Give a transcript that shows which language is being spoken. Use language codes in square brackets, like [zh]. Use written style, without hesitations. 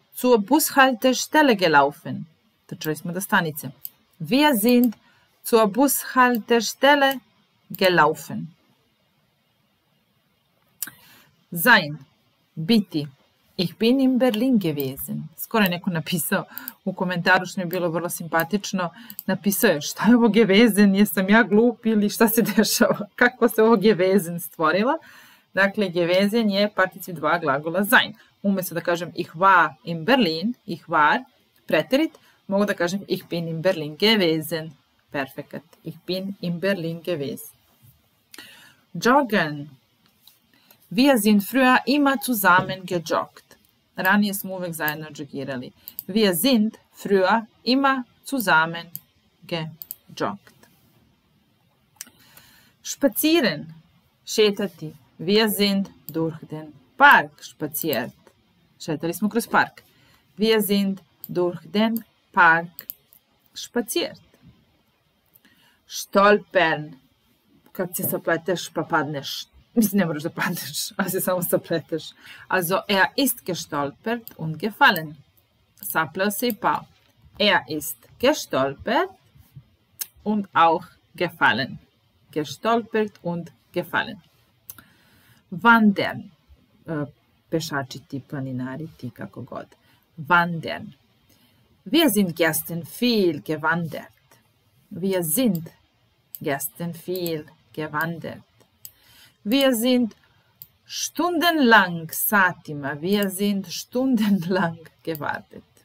[de] zur Bushaltestelle gelaufen. [sr] Znači smo do stanice. [de] Wir sind zur Bushaltestelle gelaufen. Sein, biti. Ich bin in Berlin gewesen. [sr] Skoro je neko napisao u komentaru, što mi je bilo vrlo simpatično. Napisao je, šta je ovo gewesen? Jesam ja glup ili šta se dešava? Kako se ovo gewesen stvorilo? Dakle, gewesen je particip dva glagola sein. Umjesto da kažem [de] ich war in Berlin, ich war, [sr] preterit, mogu da kažem [de] ich bin in Berlin gewesen. [sr] Perfekat. [de] Ich bin in Berlin gewesen. Joggen. Wir sind früher immer zusammen gejoggt. [sr] Ranije smo uvek zajedno džogirali. [de] Wir sind früher immer zusammen gejoggt. Spazieren, šetati. Wir sind durch den Park spaziert. [sr] Šetali smo kroz park. [de] Wir sind durch den Park spaziert. [sr] Stolpern, kad se sapleteš pa padneš. Mislim, ne moraš da padeš, ali se samo sapleteš. [de] Also, er ist gestolpert und gefallen. [sr] Sapleo se i pao. [de] Er ist gestolpert und auch gefallen. Gestolpert und gefallen. Wandern. [sr] Pešačiti, planinariti, kako god. [de] Wandern. Wir sind gestern viel gewandert. Wir sind gestern viel gewandert. Wir sind stundenlang, satima, wir sind stundenlang gewartet.